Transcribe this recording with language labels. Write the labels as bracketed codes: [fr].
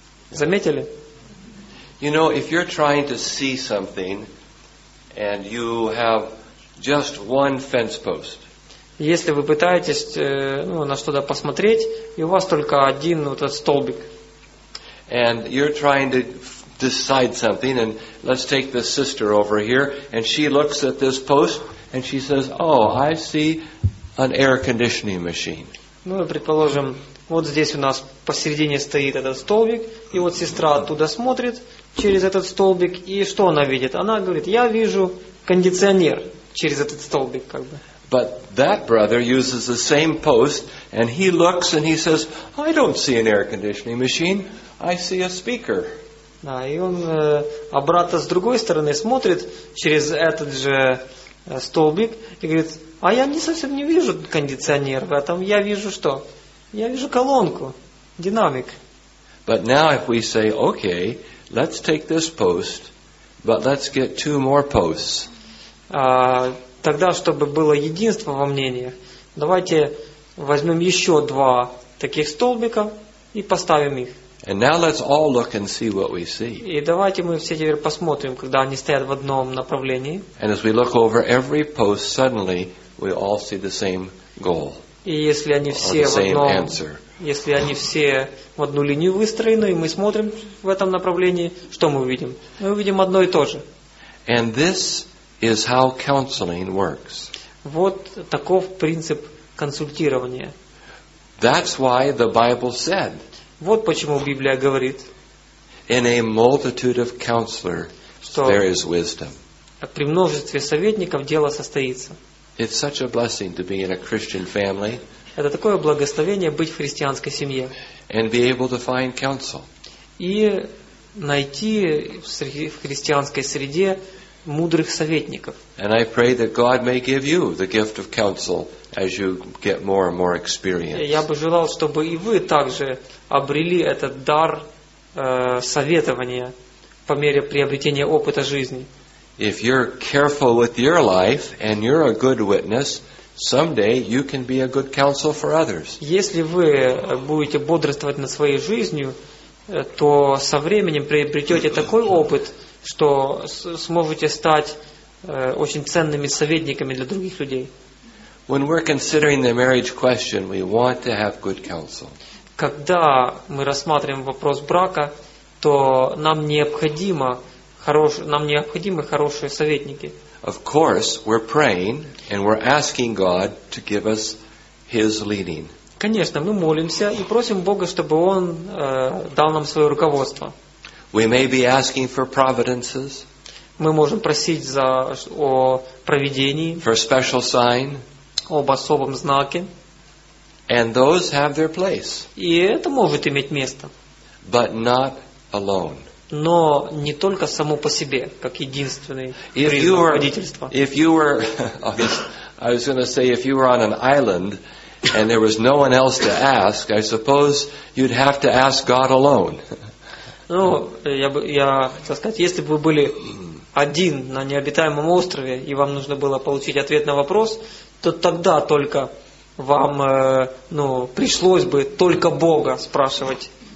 [ru] Заметили? [en] You know, if you're trying to see something and you have just one fence post. [ru] если вы пытаетесь ну, на что-то посмотреть, и у вас только один вот этот столбик. [en] And you're trying to decide something, and let's take this sister over here, and she looks at this post, and she says, oh, I see an air conditioning machine. [ru] Ну, предположим, вот здесь у нас посередине стоит этот столбик, и вот сестра оттуда смотрит через этот столбик, и что она видит? Она говорит, я вижу кондиционер через этот столбик, как бы. [en] But that brother uses the same post, and he looks and he says, I don't see an air conditioning machine, I see a speaker. [ru] Да, и он обратно с другой стороны смотрит через этот же столбик и говорит, а я не совсем не вижу кондиционер в этом, я вижу что? Я вижу колонку, динамик. [en] But now if we say, okay, let's take this post, but let's get two more posts. [ru] Тогда, чтобы было единство во мнениях, давайте возьмем еще два таких столбика и поставим их. [en] And now let's all look and see what we see. [ru] И давайте мы все теперь посмотрим, когда они стоят в одном направлении. [en] And as we look over every post, suddenly we all see the same goal. [ru] И если они все в одном, если они все в одну линию выстроены, и мы смотрим в этом направлении, что мы увидим? Мы увидим одно и то же. [en] And this is how counseling works. [ru] Вот таков принцип консультирования. [en] That's why the Bible said. [ru] Вот почему Библия говорит. [en] In a multitude of counselors, there is wisdom. [ru] При множестве советников дело состоится. [en] It's such a blessing to be in a Christian family. [ru] Это такое благословение быть в христианской семье. [en] And be able to find counsel. [ru] И найти в христианской среде мудрых советников. [en] And I pray that God may give you the gift of counsel as you get more and more experience. [ru] Я бы желал, чтобы и вы также обрели этот дар советования по мере приобретения опыта жизни. [en] If you're careful with your life and you're a good witness, someday you can be a good counsel for others. [ru] Если вы будете бодрствовать над своей жизнью, то со временем приобретете такой опыт, что сможете стать очень ценными советниками для других людей. [en] When we're considering the marriage question, we want to have good counsel. [ru] Когда мы рассматриваем вопрос брака, то нам необходимо хорошие советники. [en] Of course, we're praying and we're asking God to give us His leading. [ru] Конечно, мы молимся и просим Бога, чтобы Он дал нам свое руководство. [en] We may be asking for providences. [ru] Мы можем просить за о провидении. [en] For a special sign. [ru] Об особом знаке. [en] And those have their place. [ru] И это может иметь место. [en] But not alone. [ru] Но не только само по себе, как единственный признак водительства. [en] If you were, I was going to say, if you were on an island and there was no one else to ask, I suppose you'd have to ask God alone. [ru] Ну, я хотел сказать, если бы вы были один на необитаемом острове, и вам нужно было получить ответ на вопрос, то тогда только вам ну, пришлось бы только Бога спрашивать.